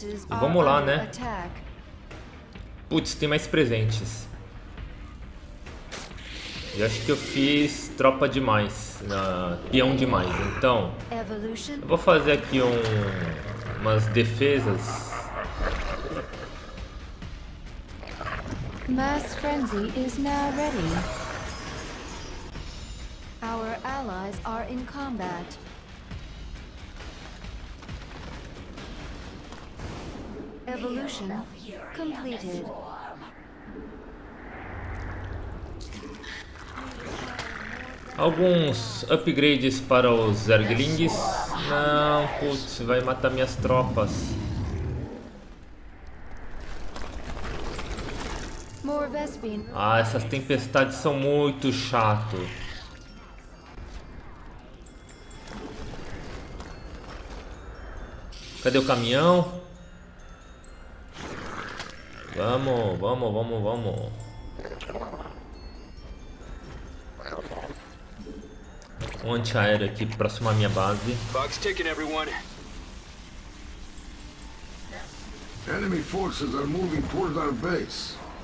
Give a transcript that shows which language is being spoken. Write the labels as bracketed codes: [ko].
[pt] E vamos lá, né? Putz, tem mais presentes. Eu acho que eu fiz tropa demais, peão demais. Então, eu vou fazer aqui umas defesas. [en] Mass frenzy is now ready. Our allies are in combat. Evolution completed. [pt] Alguns upgrades para os Zerglings. Não, putz, vai matar minhas tropas. Ah, essas tempestades são muito chato. Cadê o caminhão? Vamos, vamos, vamos, vamos. Um antiaéreo aqui próximo à minha base. [en] Box ticking, everyone. Enemy forces are moving towards our base.